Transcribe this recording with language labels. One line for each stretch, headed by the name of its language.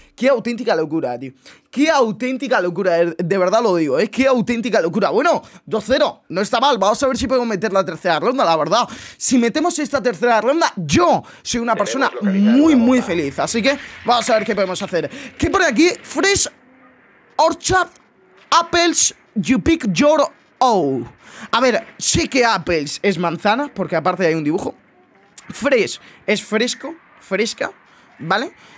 Spanish: Qué auténtica locura, tío. Qué auténtica locura, de verdad lo digo, qué auténtica locura. Bueno, 2-0, no está mal. Vamos a ver si podemos meter la tercera ronda, la verdad. Si metemos esta tercera ronda, yo soy una persona muy, muy feliz. Así que vamos a ver qué podemos hacer. ¿Qué por aquí?
English: Fresh Orchard Apples, you pick your own.
Spanish: A ver, sé que apples es manzana, porque aparte hay un dibujo. Fresh es fresco, fresca, ¿vale?